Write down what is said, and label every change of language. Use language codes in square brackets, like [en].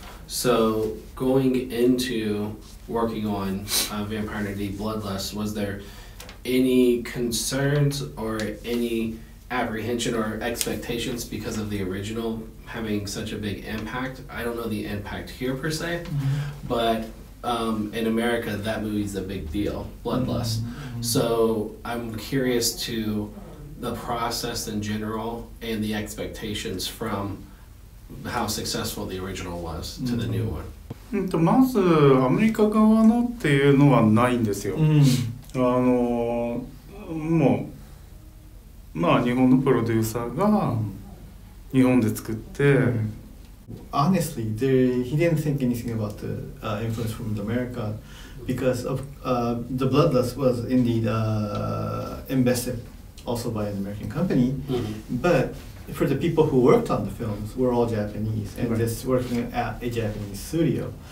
[en] So going into working on Vampire Hunter D Bloodlust, was there any concerns or any apprehension or expectations because of the original having such a big impact? I don't know the impact here per se, but in America, that movie's a big deal, Bloodlust. So I'm curious to the process in general and the expectations from how successful the original was to the new one. [ja] まずアメリカ側のっていうのはないんですよ。もうまあ日本のプロデューサーが日本で作って。 [en] Honestly, he didn't think anything about the influence from America because of the Bloodlust was indeed invested also by an American company. But for the people who worked on the films were all Japanese and just working at a Japanese studio.